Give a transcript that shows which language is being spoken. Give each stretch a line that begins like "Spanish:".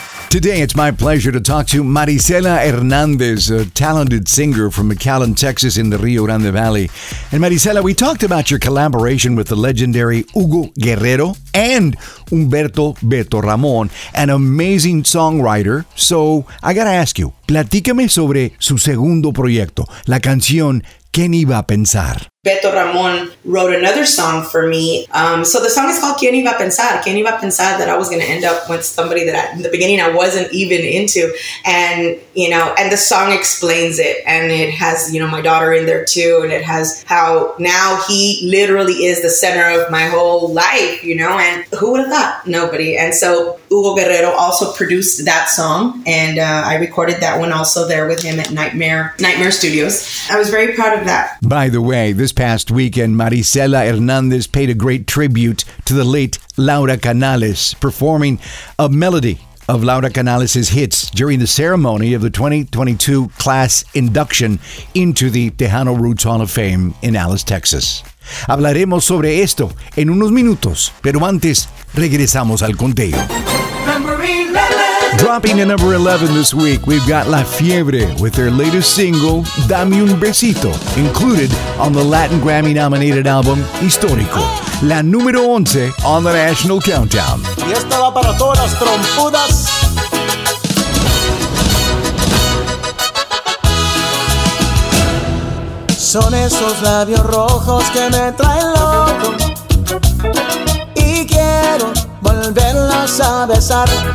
English: Today, it's my pleasure to talk to Marisela Hernandez, a talented singer from McAllen, Texas in the Rio Grande Valley. And Marisela, we talked about your collaboration with the legendary Hugo Guerrero and Humberto Beto Ramon, an amazing songwriter. So, I gotta ask you,
Spanish: platícame sobre su segundo proyecto, la canción ¿Quién iba a pensar?
English: Beto Ramon wrote another song for me. So the song is called ¿Quién iba a pensar? ¿Quién iba a pensar that I was going to end up with somebody that in the beginning I wasn't even into? And, you know, and the song explains it. And it has, you know, my daughter in there too. And it has how now he literally is the center of my whole life, you know. And who would have thought? Nobody. And so Hugo Guerrero also produced that song. And I recorded that one also there with him at Nightmare Studios. I was very proud of that. By the way, this past weekend, Marisela Hernandez paid a great tribute to the late Laura Canales, performing a melody of Laura Canales' hits during the ceremony of the 2022 class induction into the Tejano Roots Hall of Fame in Alice, Texas.
Spanish: Hablaremos sobre esto en unos minutos, pero antes regresamos al conteo.
English: Dropping to number 11 this week, we've got La Fiebre with their latest single, Dame Un Besito, included on the Latin Grammy-nominated album, Histórico.
Spanish: La número 11
English: on the national countdown.
Spanish: Y esta va para todas las trompudas. Son esos labios rojos que me traen loco. Y quiero volverlos a besar.